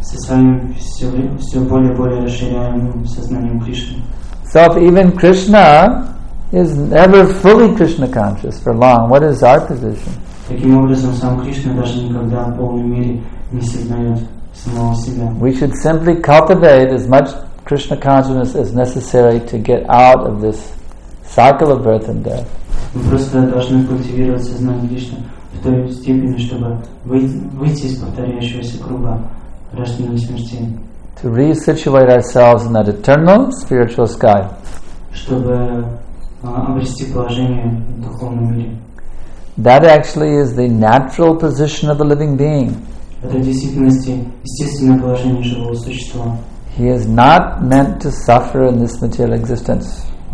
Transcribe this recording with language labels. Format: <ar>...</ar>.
<en>So if even Krishna is never fully Krishna conscious for long, what is our position?</en> <ru>Таким образом, сам Кришна даже никогда в полной мере не сознает самого себя.</ru> <en>We should simply cultivate as much Krishna consciousness as necessary to get out of this cycle of birth and death.</en> <ru>Мы просто должны культивировать сознание Кришны в той степени, чтобы выйти из повторяющегося круга рождения и смерти.</ru> <en>To resituate ourselves in that eternal spiritual sky.</en> <ru>Чтобы обрести положение в духовном мире.</ru> <en>That actually is the natural position of a living being. He is not meant to suffer in this material existence.</en>